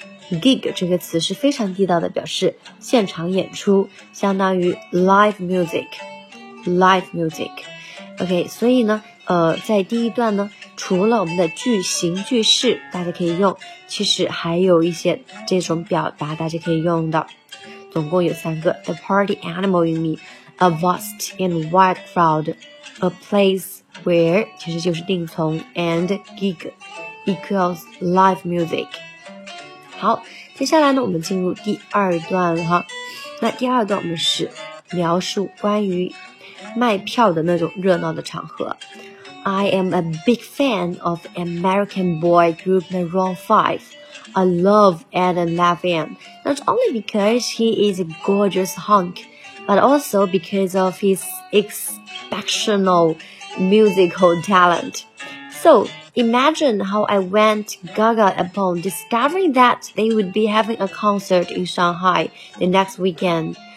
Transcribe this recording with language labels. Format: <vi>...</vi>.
<zh>Gig 这个词是非常地道的表示现场演出相当于 live music OK 所以呢在第一段呢除了我们的句型句式大家可以用其实还有一些这种表达大家可以用的总共有三个</zh> <en>The party animal in me a vast and wide crowd, a place where,</en> <zh>其实就是定从</zh> <en>and gig equals live music.</en> <zh>好，接下来呢，我们进入第二段哈。那第二段我们是描述关于卖票的那种热闹的场合。</zh> <en>I am a big fan of American boy group Maroon 5. I love Adam Levine, not only because he is a gorgeous hunk, but also because of his exceptional musical talent. So, imagine how I went gaga upon discovering that they would be having a concert in Shanghai the next weekend.</en>